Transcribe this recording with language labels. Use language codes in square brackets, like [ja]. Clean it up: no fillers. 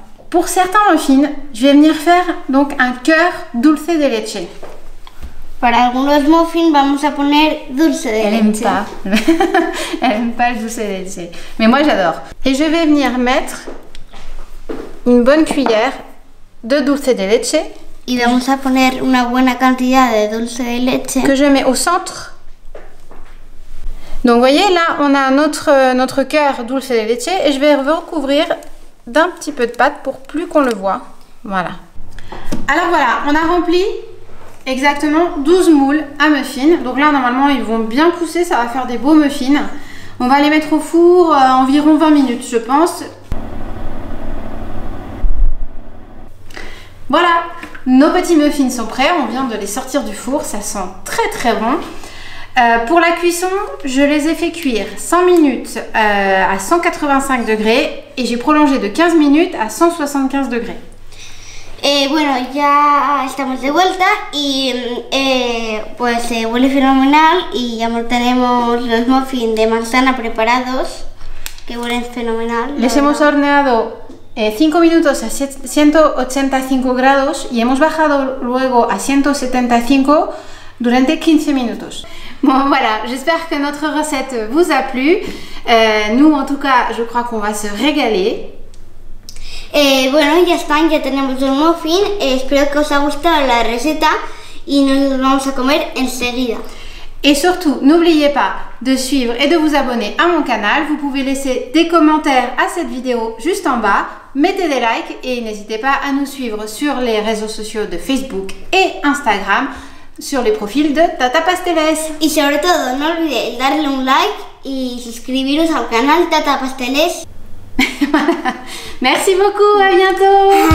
[fr] Pour certains muffins, je vais venir faire donc un cœur dulce de leche. [es] Para algunos muffins, vamos a poner dulce de [fr] leche. Elle aime pas. Elle aime pas le dulce de leche. Mais moi, j'adore. Et je vais venir mettre une bonne cuillère de dulce de leche. [es] Y vamos a poner una buena cantidad de dulce de leche. [fr] Que je mets au centre. Donc, vous voyez, là, on a notre cœur dulce de leche et je vais recouvrir d'un petit peu de pâte pour plus qu'on le voit. Voilà. Alors voilà, on a rempli exactement 12 moules à muffins. Donc là, normalement, ils vont bien pousser, ça va faire des beaux muffins. On va les mettre au four environ 20 minutes, je pense. Voilà, nos petits muffins sont prêts. On vient de les sortir du four, ça sent très très bon. Pour la cuisson, je les ai fait cuire 100 minutes à 185 degrés et j'ai prolongé de 15 minutes à 175 degrés. [es] Et bueno, ya estamos de vuelta y pues huele fenomenal y ya tenemos los muffins de manzana preparados que huelen fenomenal. Les hemos horneado 5 minutos a 185 grados y hemos bajado luego a 175 durante 15 minutos. [fr] Bon voilà, j'espère que notre recette vous a plu. Nous en tout cas, je crois qu'on va se régaler. [es] Et bueno, ya están, ya tenemos los muffins. Espero que os haya gustado la receta y nos vamos a comer enseguida. [fr] Et surtout, n'oubliez pas de suivre et de vous abonner à mon canal. Vous pouvez laisser des commentaires à cette vidéo juste en bas. Mettez des likes et n'hésitez pas à nous suivre sur les réseaux sociaux de Facebook et Instagram. Sur les profils de Tata Pasteles. [es] Y sobre todo, no olvidéis darle un like y suscribiros al canal Tata Pasteles. [fr] Merci beaucoup, à bientôt.